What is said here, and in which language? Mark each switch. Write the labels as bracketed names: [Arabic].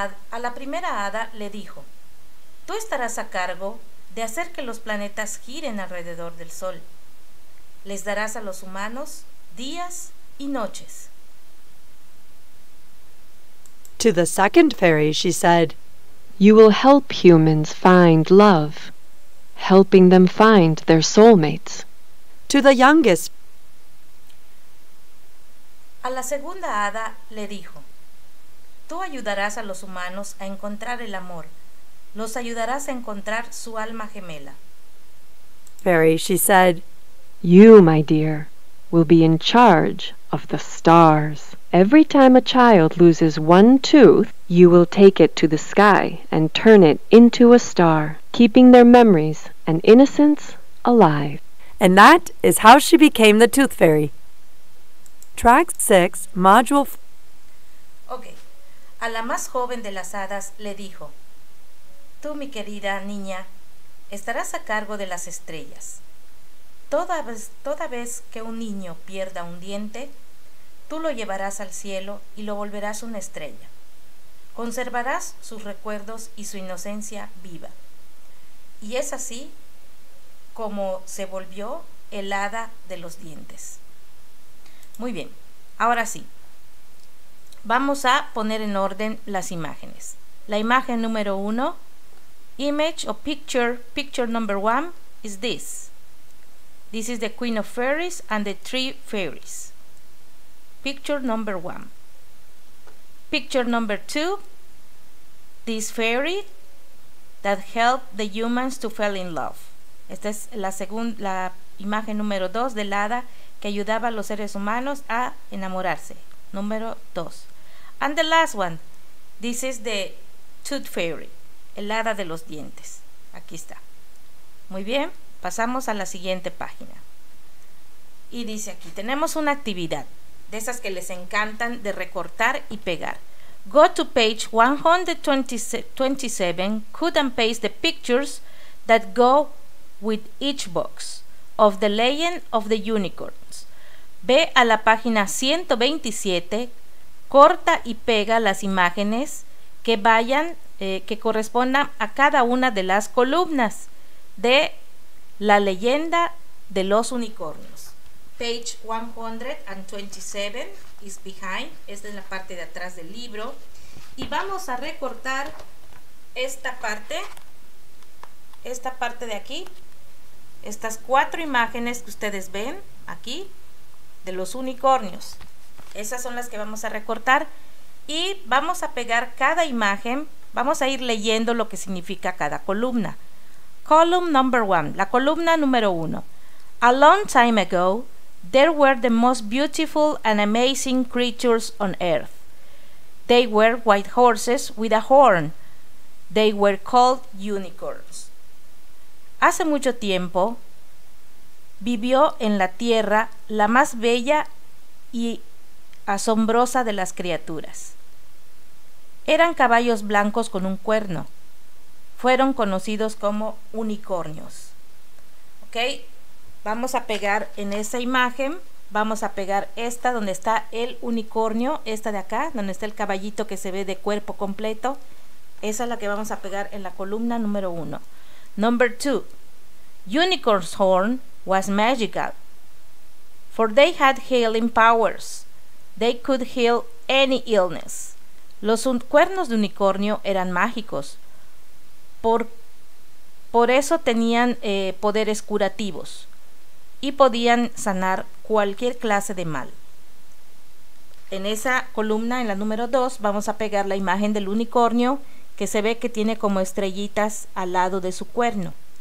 [Spanish] A la primera hada le dijo, "Tú estarás a cargo de hacer que los planetas giren alrededor del sol. Les darás a los humanos días y noches." [English] To the second fairy, she said, "You will help humans find love, helping them find their soulmates." To the youngest. [Spanish] A la segunda hada le dijo, "Tú ayudarás a los humanos a encontrar el amor. Los ayudarás a encontrar su alma gemela." [English] Fairy, she said, "You, my dear, will be in charge of the stars. Every time a child loses one tooth, you will take it to the sky and turn it into a star, keeping their memories and innocence alive." And that is how she became the Tooth Fairy. Track 6, Module 4. Okay. [Spanish] A la más joven de las hadas le dijo, "Tú, mi querida niña, estarás a cargo de las estrellas. Toda vez que un niño pierda un diente, tú lo llevarás al cielo y lo volverás una estrella. Conservarás sus recuerdos y su inocencia viva." Y es así como se volvió el hada de los dientes. Muy bien, ahora sí, vamos a poner en orden las imágenes. La imagen número uno, [English] picture number one, is this. This is the Queen of Fairies and the three fairies. Picture number one. Picture number two, this fairy that helped the humans to fall in love. [Spanish] Esta es la imagen número dos del hada que ayudaba a los seres humanos a enamorarse. Número dos. [English] And the last one, this is the tooth fairy, [Spanish] el hada de los dientes. Aquí está. Muy bien. Pasamos a la siguiente página. Y dice aquí, tenemos una actividad de esas que les encantan de recortar y pegar. [English] Go to page 127, cut and paste the pictures that go with each box of the Legend of the Unicorns. [Spanish] Ve a la página 127, corta y pega las imágenes que vayan, que correspondan a cada una de las columnas de La Leyenda de los Unicornios. [English] Page 127 is behind. [Spanish] Esta es la parte de atrás del libro. Y vamos a recortar esta parte de aquí. Estas cuatro imágenes que ustedes ven aquí, de los unicornios. Esas son las que vamos a recortar. Y vamos a pegar cada imagen. Vamos a ir leyendo lo que significa cada columna. [English] Column number one, [Spanish] la columna número uno. [English] A long time ago, They were the most beautiful and amazing creatures on earth. They were white horses with a horn. They were called unicorns. [Spanish] Hace mucho tiempo, vivió en la tierra la más bella y asombrosa de las criaturas. Eran caballos blancos con un cuerno. Fueron conocidos como unicornios. ¿Ok? Vamos a pegar en esa imagen, vamos a pegar esta donde está el unicornio, esta de acá, donde está el caballito que se ve de cuerpo completo. Esa es la que vamos a pegar en la columna número 1. [English] Number 2. Unicorn's horn was magical, for they had healing powers. They could heal any illness. [Spanish] Los cuernos de unicornio eran mágicos, por eso tenían poderes curativos y podían sanar cualquier clase de mal. En esa columna, en la número 2, vamos a pegar la imagen del unicornio que se ve que tiene como estrellitas al lado de su cuerno.